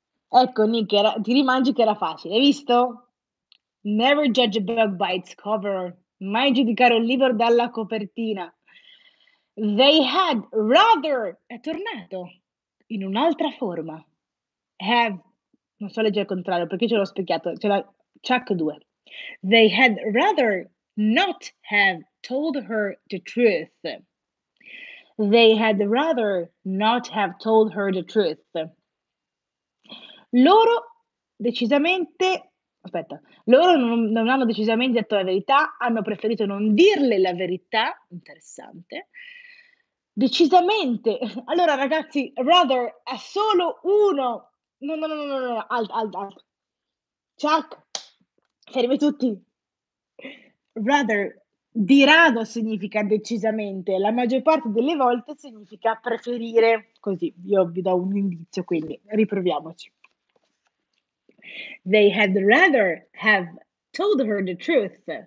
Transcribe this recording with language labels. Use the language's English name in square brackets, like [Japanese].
[Italian] Ecco, Nick, ti rimangi che era facile, hai visto? [English] Never judge a book by its cover. [Italian] Mai giudicare un libro dalla copertina. [English] They had rather. [Italian] È tornato in un'altra forma. Have. Non so leggere il contrario perché ce l'ho specchiato. Chuck 2. [English] They had rather not have told her the truth. They had rather not have told her the truth. [Italian] Loro decisamente, aspetta, loro non hanno decisamente detto la verità, hanno preferito non dirle la verità. Interessante. Decisamente. Allora, ragazzi, rather ha solo uno. No, alt. Chuck. Fermi tutti. Rather, di rado significa decisamente, la maggior parte delle volte significa preferire. Così, io vi do un indizio, quindi riproviamoci. [English] They had rather have told her the truth.